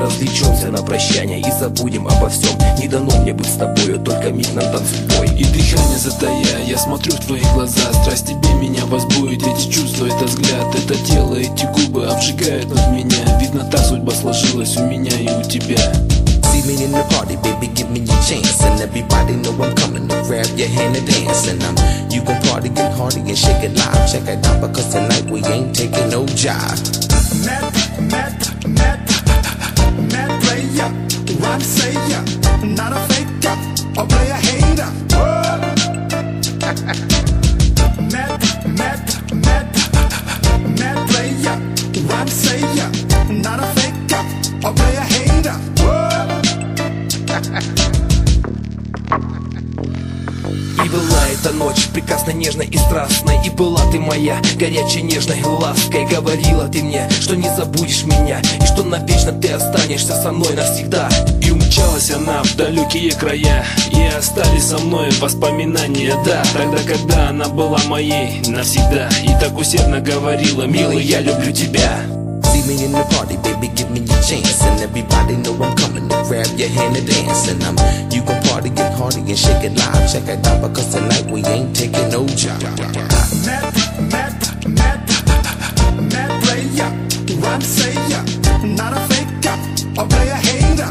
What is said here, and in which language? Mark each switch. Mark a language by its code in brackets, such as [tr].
[ru] Развлечемся на прощание и забудем обо всем. Не дано мне быть с тобою, только миг на танцбой. И дыхание затая, я смотрю в твои глаза. Страсть тебе меня возбудит, эти чувства, этот взгляд. Это тело, эти губы обжигают от меня. Видно, та судьба сложилась у меня и у тебя. [en] See me in the party, baby, give me your chance. And everybody know I'm coming to grab your hand and dance. And I'm, you gon' party, get hardy and shake it live. Check it out, because tonight we ain't taking no jive. Meth, meth, meth, meth player, rhyme slayer, not a faker, or player hater. Meth, meth, meth, meth player, rhyme slayer, not a faker, or player hater. [ru] И была эта ночь прекрасной, нежной и страстной. И была ты моя горячей, нежной лаской. Говорила ты мне, что не забудешь меня, и что навечно ты останешься со мной навсегда. И умчалась она в далекие края, и остались со мной воспоминания, да. Тогда, когда она была моей навсегда, и так усердно говорила: милый, я люблю тебя. [en] See me in the party, baby, give me your chance. And everybody know I'm coming to grab your hand and dance. And I'm, you gon' party, get hardy and shake it live. Check it out, because tonight we ain't taking no job. Meth, meth, meth, meth player, rhyme slayer, not a faker, or player hater.